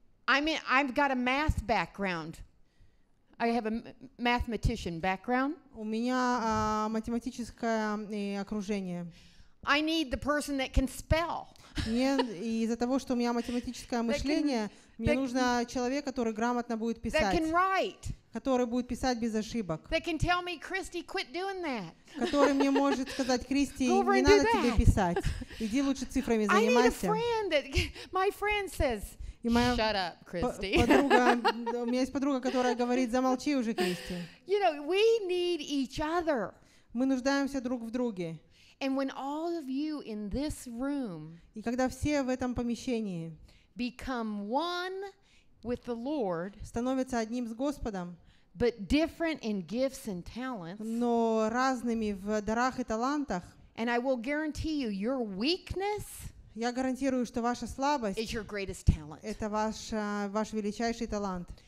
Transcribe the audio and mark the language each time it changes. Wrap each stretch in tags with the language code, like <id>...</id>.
<en>I mean, I've got a math background. I have a mathematician background.</en> <ru>У меня математическое окружение.</ru> <en>I need the person that can spell.</en> <ru>Мне из-за того, что у меня математическое мышление, мне нужен человек, который грамотно будет писать.</ru> <en>That can write.</en> <ru>Который будет писать без ошибок.</ru> <en>That can tell me, Christy, quit doing that.</en> <ru>Который мне может сказать: Кристи, не надо тебе писать. Иди лучше цифрами занимайся.</ru> <en>I need a friend that my friend says. Shut up, Christy.</en> <ru>У меня есть подруга, которая говорит: замолчи уже, Кристи.</ru> <en>You know, we need each other.</en> <ru>Мы нуждаемся друг в друге.</ru> <en>And when all of you in this room,</en> <ru>и когда все в этом помещении,</ru> <en>become one with the Lord,</en> <ru>становятся одним с Господом,</ru> <en>but different in gifts and talents,</en> <ru>но разными в дарах и талантах,</ru> <en>and I will guarantee you your weakness.</en> <ru>Я гарантирую, что ваша слабость — это ваш величайший талант.</ru>